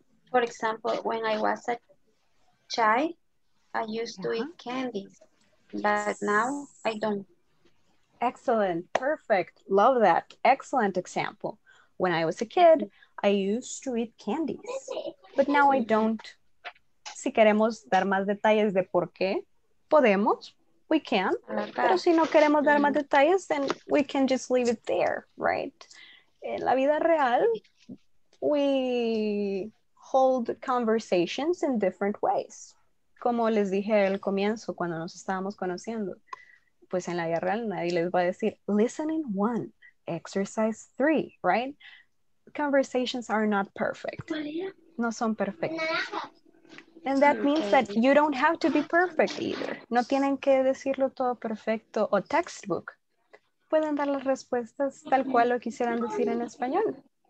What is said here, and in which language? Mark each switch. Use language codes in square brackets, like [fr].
[en] For example, when I was a child, I used to eat candies, but now I don't. Excellent. Perfect. Love that. Excellent example. When I was a kid, I used to eat candies, but now I don't. [es] Si queremos dar más detalles de por qué, podemos, [en] we can. Okay. [es] Pero si no queremos dar más detalles, [en] then we can just leave it there, right? [es] En la vida real, [en] we hold conversations in different ways. [es] Como les dije al comienzo, cuando nos estábamos conociendo, pues en la vida real nadie les va a decir, [en] listening one, exercise three, [es] right? [en] Conversations are not perfect. [es] No son perfectas. [en] And that means that you don't have to be perfect either. [es] No tienen que decirlo todo perfecto o textbook. Pueden dar las respuestas tal cual lo quisieran decir en español.